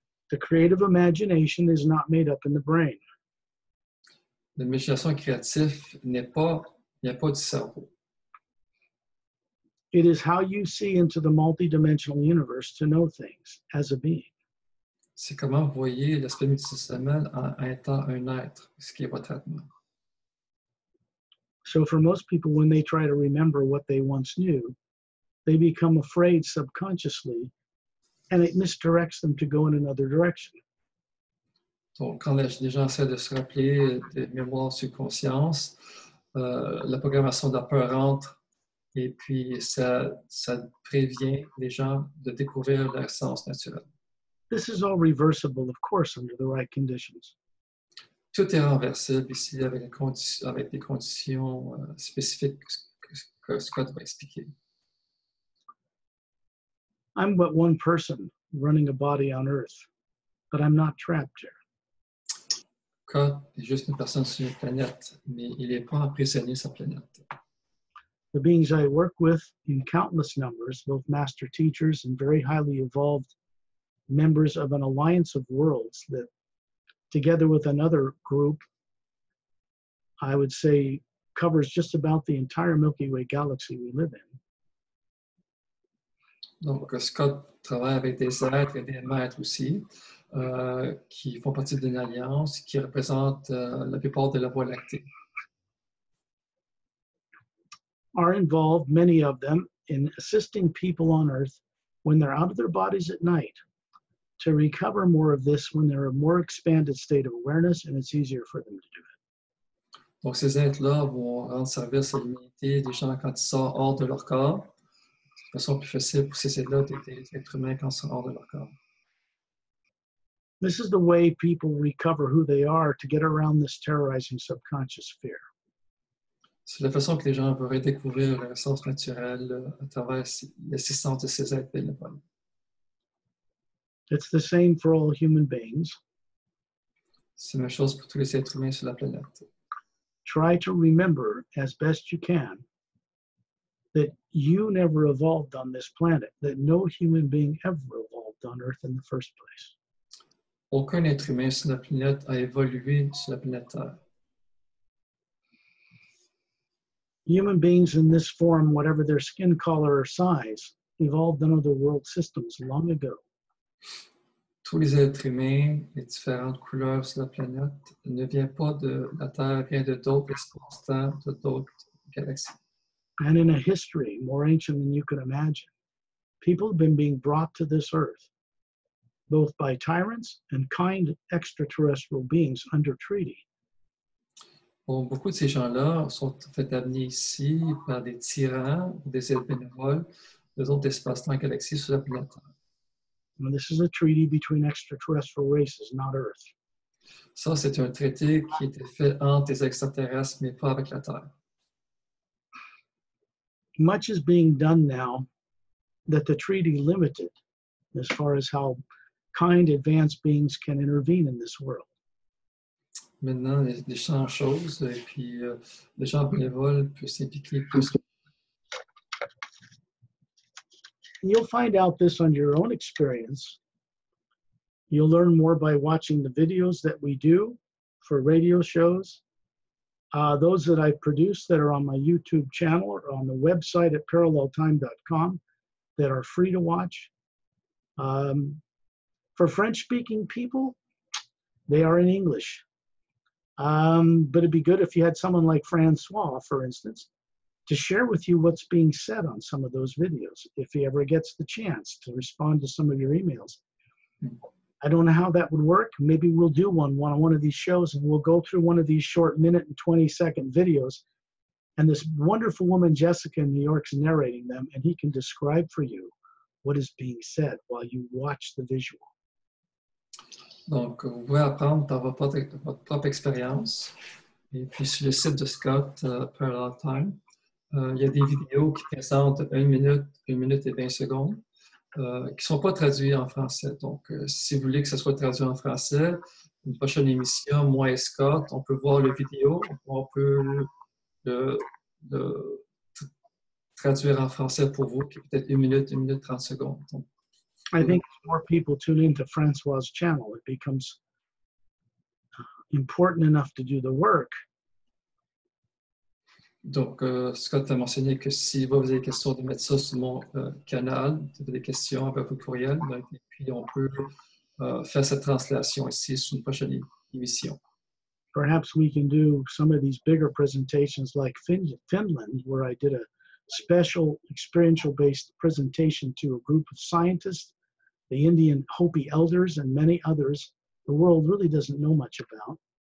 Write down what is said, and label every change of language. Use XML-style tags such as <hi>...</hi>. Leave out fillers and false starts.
<en>The creative imagination is not made up in the brain.</en> <fr>L'imagination créative n'est pas du cerveau.</fr> <en>It is how you see into the multidimensional universe to know things as a being.</en> <fr>C'est comment vous voyez l'aspect multidimensionnel en étant un être, ce qui est votre Atma.</fr> <en>So for most people, when they try to remember what they once knew, they become afraid subconsciously, and it misdirects them to go in another direction.</en> <fr>Donc, quand les gens essaient de se rappeler des mémoires subconscientes, la programmation de la peur entre, et puis ça prévient les gens de découvrir leur essence naturelle.</fr> <en>This is all reversible, of course, under the right conditions.</en> <fr>Tout est renversable ici avec des conditions spécifiques que Scott va expliquer.</fr> <en>I'm but one person running a body on Earth, but I'm not trapped here.</en> <fr>Scott est juste une personne sur une planète, mais il n'est pas emprisonné sur la planète.</fr> <en>The beings I work with in countless numbers, both master teachers and very highly evolved members of an alliance of worlds that, together with another group, I would say covers just about the entire Milky Way galaxy we live in.</en> <fr>Donc, Scott travaille avec des êtres et des maîtres aussi, qui font partie d'une alliance qui représente la plupart de la Voie lactée.</fr> <en>Are involved, many of them, in assisting people on Earth when they're out of their bodies at night. To recover more of this when they're a more expanded state of awareness and it's easier for them to do it.</en> <fr>Donc ces êtres-là vont rendre service à l'humanité des gens quand ils sont hors de leur corps. De façon plus facile pour ces êtres-là d'être humains quand ils sont hors de leur corps.</fr> <en>This is the way people recover who they are to get around this terrorizing subconscious fear.</en> <fr>C'est la façon que les gens vont redécouvrir leur essence naturelle à travers l'assistance de ces êtres bénévoles.</fr> <en>It's the same for all human beings.</en> <fr>C'est la même chose pour tous les êtres humains sur la planète.</fr> <en>Try to remember as best you can that you never evolved on this planet, that no human being ever evolved on Earth in the first place.</en> <fr>Aucun être humain sur la planète a évolué sur la planète Terre.</fr> <en>Human beings in this form, whatever their skin color or size, evolved on other world systems long ago.</en> <fr>Tous les êtres humains, les différentes couleurs sur la planète, ne viennent pas de la Terre, viennent de d'autres espaces-temps, de d'autres galaxies.</fr> <en>And in a history more ancient than you could imagine, people have been being brought to this Earth, both by tyrants and kind extraterrestrial beings under treaty.</en> <fr>Bon, beaucoup de ces gens-là sont en fait amenés ici par des tyrans ou des êtres bénévoles des autres espaces-temps galaxies sur la planète.</fr> <en>Well, this is a treaty between extraterrestrial races, not Earth.</en> <fr>Ça, c'est un traité qui était fait entre des extraterrestres, mais pas avec la Terre.</fr> <en>Much is being done now that the treaty limited as far as how kind advanced beings can intervene in this world.</en> <fr>Maintenant, les gens choses et puis les gens bénévoles peuvent s'impliquer plus.</fr> <en>You'll find out this on your own experience. You'll learn more by watching the videos that we do for radio shows. Those that I produce that are on my YouTube channel or on the website at paralleltime.com that are free to watch. For French-speaking people, they are in English. But it'd be good if you had someone like Francois, for instance, to share with you what's being said on some of those videos, if he ever gets the chance to respond to some of your emails. I don't know how that would work. Maybe we'll do one of these shows, and we'll go through one of these short minute and 20-second videos, and this wonderful woman, Jessica in New York, is narrating them, and he can describe for you what is being said while you watch the visual.</en> <fr>Donc, vous pouvez apprendre dans votre propre expérience. Et puis, sur le site de Scott, Parallel Time, il y a des vidéos qui présentent une minute et 20 secondes, qui ne sont pas traduites en français. Donc, si vous voulez que ce soit traduit en français, une prochaine émission, moi et Scott, on peut voir la vidéo, on peut le traduire en français pour vous, qui est peut-être une minute trente secondes. Donc,</fr> <en>I think as more people tune into Francois' channel, it becomes important enough to do the work.</en> <fr>Donc, Scott a mentionné que si vous avez des questions, de mettre ça sur mon canal, si vous avez des questions, avec vos courriels, et puis on peut faire cette translation ici sur une prochaine émission.</fr> <en>Perhaps we can do some of these bigger presentations like Finland, where I did a special experiential-based presentation to a group of scientists, the Indian Hopi elders, and many others the world really doesn't know much about.</en>